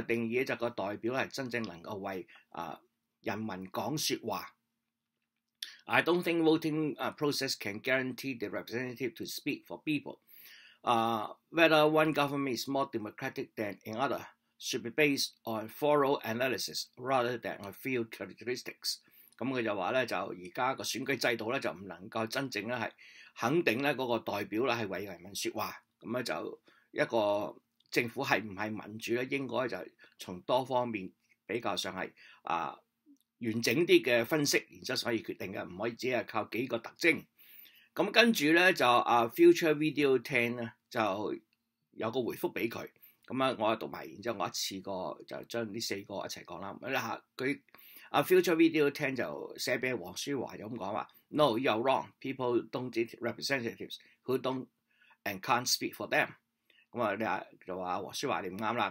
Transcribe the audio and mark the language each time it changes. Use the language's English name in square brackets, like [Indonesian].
[Cantonese] 就定義就個代表係真正能夠為人民講説話。 [English] I don't think voting process can guarantee the representative to speak for people. Whether one government is more democratic than another should be based on thorough analysis rather than a few characteristics. [Cantonese] 咁佢就話咧，就而家個選舉制度咧就唔能夠真正咧係肯定咧嗰個代表咧係為人民説話。咁咧就一個政府係唔係民主咧，應該就從多方面比較上係完整啲嘅分析，然之後所以決定嘅，唔可以只係靠幾個特徵。咁跟住咧就Future Video 10咧就有個回覆俾佢。咁我讀埋，然之後我一次過就將呢四個一齊講啦。 Future Video 10就寫俾黃舒懷就咁講話 ： [English] No, you're wrong. People don't need representatives who don't and can't speak for them。 [Cantonese] 咁你就話黃舒懷你唔啱啦。